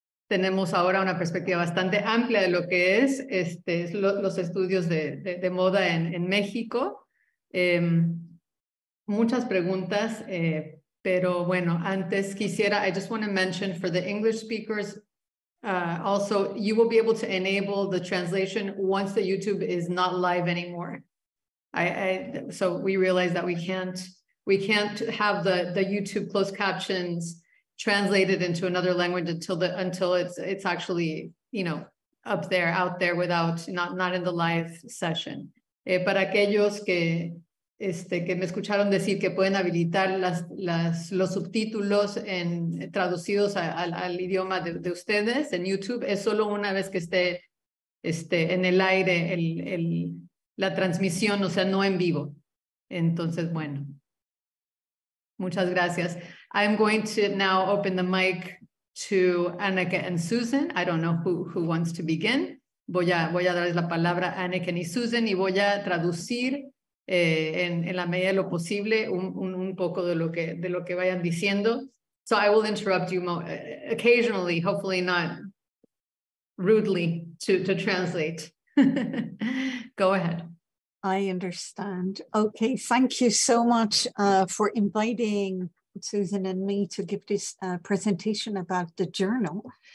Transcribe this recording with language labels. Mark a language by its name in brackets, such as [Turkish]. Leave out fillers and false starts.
[Spanish] Tenemos ahora una perspectiva bastante amplia de lo que es los estudios de moda en México. Muchas preguntas. Pero bueno, antes quisiera, [English] I just want to mention for the English speakers, also, you will be able to enable the translation once the YouTube is not live anymore. So we realize that we can't have the YouTube closed captions translated into another language until it's actually, up there, out there without, not in the live session. [Spanish] Para aquellos que me escucharon decir que pueden habilitar los subtítulos traducidos al idioma de ustedes en YouTube, es solo una vez que esté en el aire la transmisión, o sea, no en vivo. Entonces, bueno, muchas gracias. [English] I'm going to now open the mic to Anneke and Susan. I don't know who wants to begin. [Spanish] Voy a darles la palabra a Anneke y Susan y voy a traducir en la medida de lo posible un poco de lo que vayan diciendo. [English] So I will interrupt you occasionally, hopefully not rudely, to translate. Go ahead. I understand. Okay, thank you so much for inviting Susan and me to give this presentation about the journal.